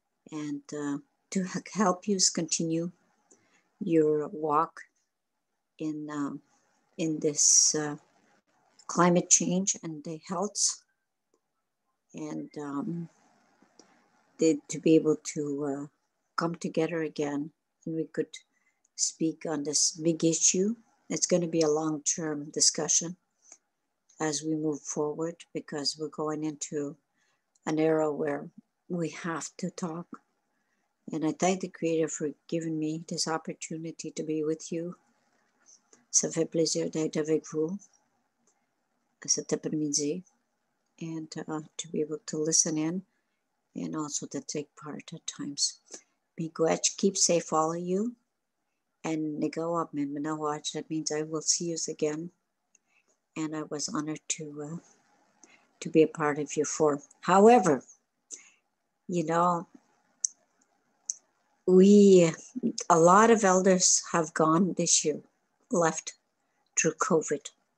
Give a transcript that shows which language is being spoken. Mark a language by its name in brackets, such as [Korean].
[English] And to help you continue your walk in this climate change and the health, and to be able to come together again, and we could speak on this big issue. It's going to be a long-term discussion as we move forward, because we're going into an era where we have to talk. And I thank the Creator for giving me this opportunity to be with you. [French] Ça fait plaisir d'être avec vous cet après-midi, [English] and to be able to listen in and also to take part at times. Miigwech, keep safe, all of you. And [Ojibwa] Nigawab Minmanawach, [English] that means I will see you again. And I was honored to be a part of your forum. However, you know, a lot of elders have gone this year, left through COVID.